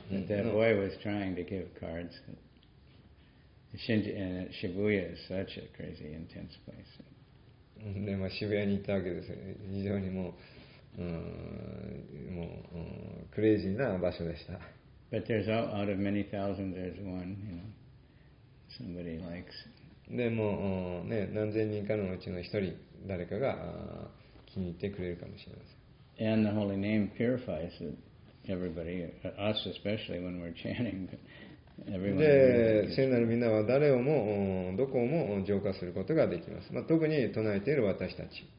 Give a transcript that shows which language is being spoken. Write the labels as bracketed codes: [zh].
[en] That boy was trying to give cards. Shibuya is such a crazy intense place. [ja] で、まあ、渋谷に行ったわけです。非常にもう、もう、クレイジーな場所でした。 [en] But there's out of many thousands, there's one, you know. Somebody likes. [ja] でも、ね、何千人かのうちの一人誰かが気に入ってくれるかもしれません。 [en] And the holy name purifies everybody, us especially when we're chanting. [ja] で、聖なる皆は誰をもどこも浄化することができます。まあ、特に唱えている私たち。